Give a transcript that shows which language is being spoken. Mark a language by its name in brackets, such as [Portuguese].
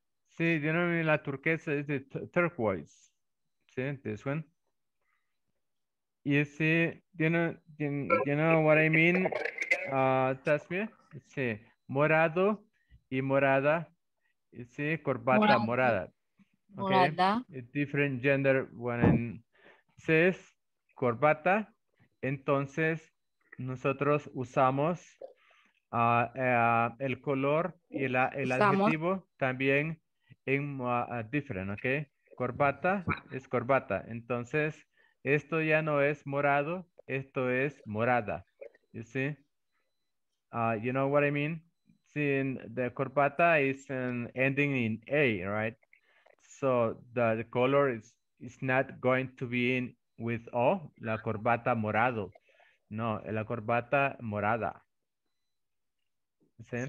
[Spanish] Sí, yo no vi la turquesa, es de turquoise. Sí, [English] this one. [Spanish] Y sí, [English] you know what I mean, Tasmia? [Spanish] Sí, morado y morada. Y sí, corbata morada. Ok. Morada. [English] Different gender one. [Spanish] Sí, es corbata. Entonces, nosotros usamos el color y el Usamos. adjetivo también en [English] different, [Spanish] ¿ok? Corbata es corbata. Entonces, esto ya no es morado, esto es morada. [English] You see? You know what I mean? Seeing the corbata is ending in A, right? So the color is not going to be in with O, [Spanish] la corbata morado. No, la corbata morada. ¿Sí?